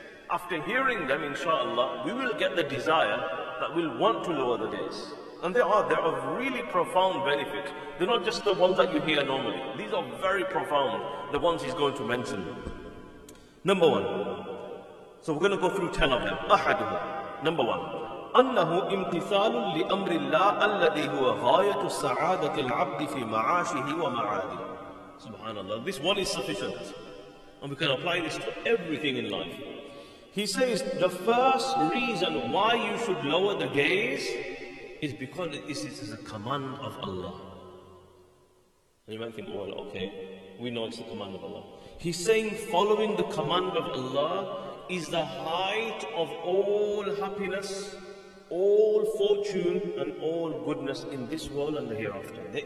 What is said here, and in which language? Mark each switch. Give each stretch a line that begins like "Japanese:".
English: After hearing them, inshallah, we will get the desire that we'll want to lower the gaze. And they are of really profound benefit. They're not just the ones that you hear normally. These are very profound, the ones he's going to mention. Number one. So we're going to go through 10 of them.
Arabic: أحده.
English: Number one.
Arabic: أنه امتثال لأمر الله الذي هو غاية سعادة العبد في معاشه ومعاده.
English: Subhanallah. This one is sufficient. And we can apply this to everything in life. He says the first reason why you should lower the gaze is because it is a command of Allah. And you might think, well, okay, we know it's the command of Allah. He's saying following the command of Allah is the height of all happiness, all fortune, and all goodness in this world and the hereafter.